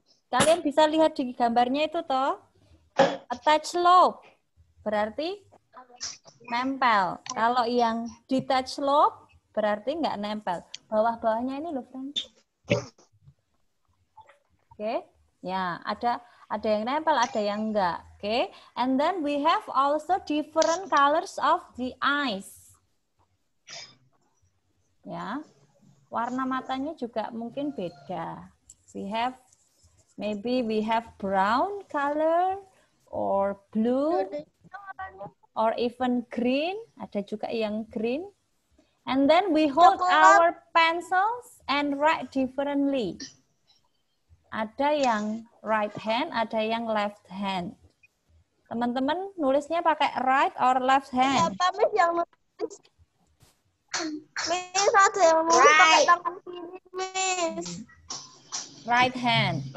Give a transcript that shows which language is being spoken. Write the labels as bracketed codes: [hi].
[id] Kalian bisa lihat di gambarnya itu toh? Attach lobe. Berarti nempel. Kalau yang detach lobe berarti enggak nempel. Bawah-bawahnya ini loh, friends. Oke. Okay. Ya, ada yang nempel, ada yang enggak. Oke, okay. [en] And then we have also different colors of the eyes. [id] Ya, warna matanya juga mungkin beda. [en] We have, maybe we have brown color or blue or even green. [id] Ada juga yang green. [en] And then we hold our pencils and write differently. [id] Ada yang [en] right hand, [id] ada yang [en] left hand. [id] Teman-teman nulisnya pakai [en] right or left hand? [id] Siapa Miss yang nulis? Miss ada yang nulis pakai tangan kiri, Miss. [en] Right hand.